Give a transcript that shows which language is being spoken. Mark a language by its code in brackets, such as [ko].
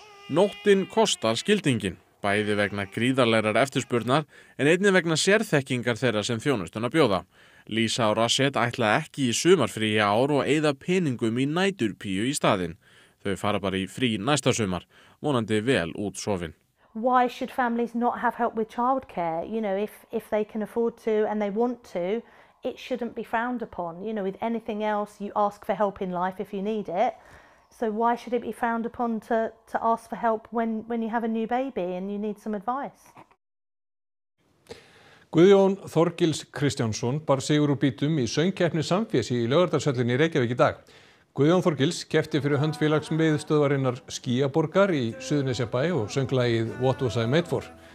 [is] Nóttin kostar skildingin, bæði vegna gríðarlegrar eftirspurnar en einnig vegna sérþekkingar þeirra sem þjónustuna bjóða. Lisa og Rashid ætla ekki í sumarfrí í ár og eyða peningum í næturpíu í staðinn. Þau fara bara í frí næsta sumar, vonandi vel út sofin. [en] Why should families not have help with childcare? You know, if they can afford to and they want to, it shouldn't be frowned upon. You know, with anything else, you ask for help in life if you need it. So why should it be frowned upon to ask for help when you have a new baby and you need some advice? [is] Guðjón Þorgils Kristjánsson bar sigur úr bítum í söngkeppni Samfés í Laugardalshöllinni í Reykjavík í dag. Guðjón Þorgils keppti fyrir hönd félagsmiðstöðvarinnar Skýjaborgar í Suðurnesjabæ og sönglagið What Was I Made For.